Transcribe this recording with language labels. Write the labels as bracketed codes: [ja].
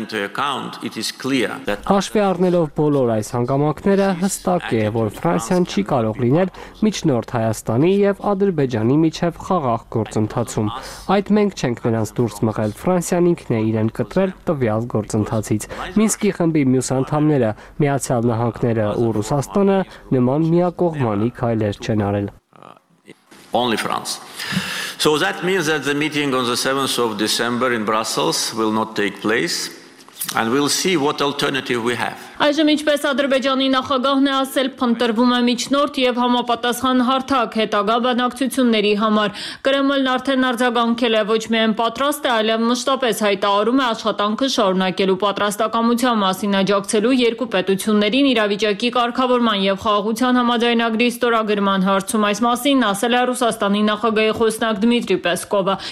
[hy] Հաշվի առնելով բոլոր այս հանգամանքները, հստակ է, որ Ֆրանսիան չի կարող լինել միջնորդ Հայաստանի և Ադրբեջանի միջև խաղաղ գործընթացում։ Այդ մենք չենք նրանց դուրս մղել, Ֆրանսիան ինքն է իրեն կտրել տվյալ գործընթացից։ Մինսկի խմբի մյուս անդամները, Միացյալ Նահանգները ու Ռուսաստանը նման միակողմանի քայլեր չեն արել։ [en] Only France. So that means that the meeting on the 7th of December in Brussels will not take place. And we'll see what alternative we have. [hy] Այժմ, ինչպես Ադրբեջանի նախագահն է ասել, փնտրվում է միջնորդ և համապատասխան հարթակ հետագա բանակցությունների համար։ Կրեմլն արդեն արձագանքել է, ոչ միայն պատրաստ է, այլև մշտապես հայտարարում է աշխատանքը շարունակելու պատրաստակամության մասին աջակցելու երկու պետություններին իրավիճակի կարգավորման և խաղաղության համաձայնագրի ստորագրման հարցում։ Այս մասին ասել է Ռուսաստանի նախագահի խոսնակ Դմիտրի Պեսկովը։